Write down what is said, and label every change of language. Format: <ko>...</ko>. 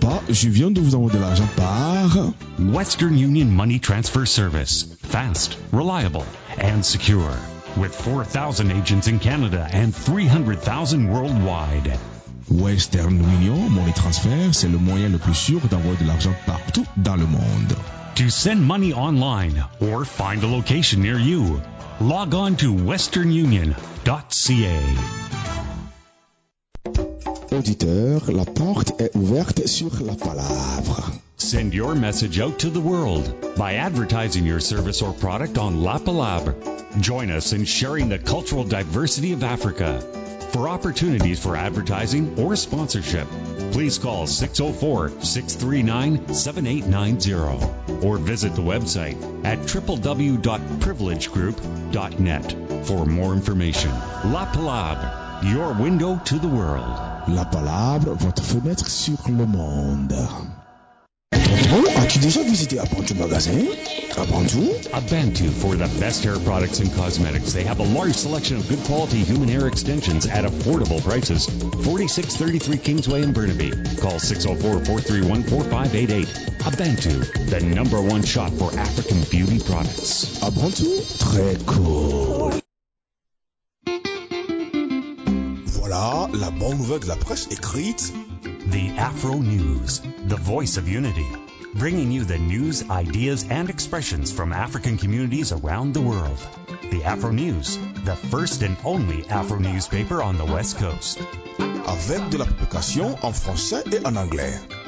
<fr>Je viens de vous envoyer de l'argent par Western Union Money Transfer Service.</fr> <en>Fast, reliable, and secure. With 4,000 agents in Canada and 300,000 worldwide.</en> <fr>Western Union, Money Transfer, c'est le moyen le plus sûr d'envoyer de l'argent partout dans le monde.</fr> <en>To send money online or find a location near you, log on to westernunion.ca.</en> <fr>Auditeur, la porte est ouverte sur la palabre.</fr> <en>Send your message out to the world by advertising your service or product on La Palabre. Join us in sharing the cultural diversity of Africa. For opportunities for advertising or sponsorship, please call 604-639-7890 or visit the website at www.privilegegroup.net for more information. La Palabre, your window to the world.</en> <fr>La Palabre, votre fenêtre sur le monde. Bon, as-tu déjà visité Abantu Magasin?</fr> <en>Abantu for the best hair products and cosmetics. They have a large selection of good quality human hair extensions at affordable prices. 4633 Kingsway in Burnaby. Call 604-431-4588. Abantu, the number one shop for African beauty products.</en> <fr>Abantu, très cool. Voilà la bonne nouvelle de la presse écrite.</fr> <en>The Afro News, the voice of unity. Bringing you the news, ideas, and expressions from African communities around the world. The Afro News, the first and only Afro newspaper on the West Coast.</en> <fr>Avec de la publication en français et en anglais.</fr>